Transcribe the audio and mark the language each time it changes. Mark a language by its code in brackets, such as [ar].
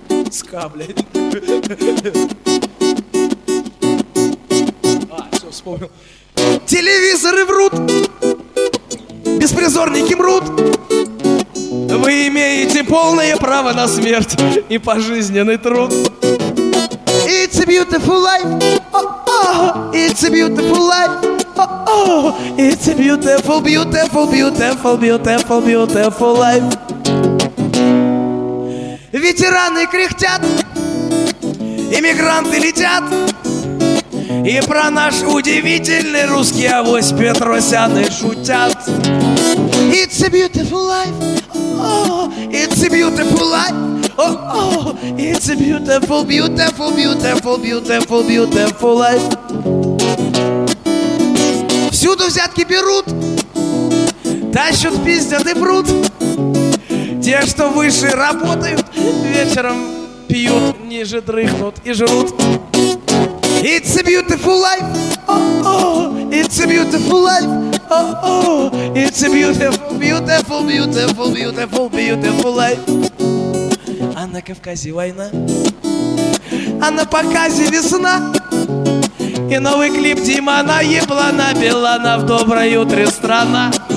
[ru] Ска, блядь. А, все, вспомнил. Телевизоры врут, беспризорники мрут. Вы имеете полное право на смерть и пожизненный труд. [en] It's a beautiful life, oh, oh. It's a beautiful life, oh, oh. It's a beautiful, beautiful, beautiful, beautiful, beautiful life. [ru] Ветераны кряхтят, иммигранты летят, и про наш удивительный русский авось петросяны шутят. [en] It's a beautiful life, oh, it's a beautiful life. Oh, oh, it's a beautiful, beautiful, beautiful, beautiful, beautiful life. [ru] Всюду взятки берут, тащут, пиздят и прут. Те, что выше работают, вечером пьют, ниже дрыхнут и жрут. [en] It's a beautiful life, oh, oh, it's a beautiful life. Oh, oh, it's a beautiful, beautiful, beautiful, beautiful, beautiful life. [ru] А на Кавказе война, а на показе весна, и новый клип Димана Еблана Билана в доброе утро страна.